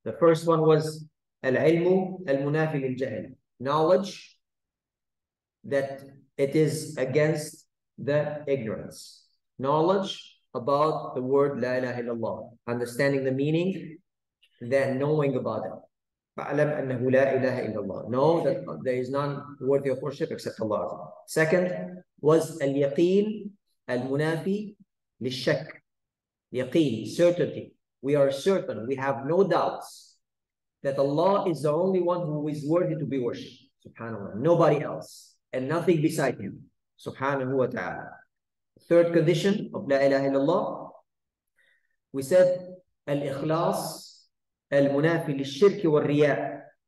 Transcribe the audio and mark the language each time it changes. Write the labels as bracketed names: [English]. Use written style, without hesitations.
[English] The first one was [Arabic] al-ilmu al-munafi lil-jahl, [English] knowledge that it is against the ignorance. Knowledge about the word la ilaha illallah, understanding the meaning, then knowing about it. [Arabic] فَعْلَمْ أَنَّهُ لَا إِلَهَ إِلَّا اللَّهِ. [English] Know that there is none worthy of worship except Allah. Second was [Arabic] اليقين المنافي للشك. [English] يقين, certainty. We are certain, we have no doubts that Allah is the only one who is worthy to be worshipped. Subhanahu wa ta'ala. Nobody else and nothing beside Him. Subhanahu wa ta'ala. Third condition of La ilaha illallah, we said [Arabic] الإخلاص المنافي للشرك والرياء.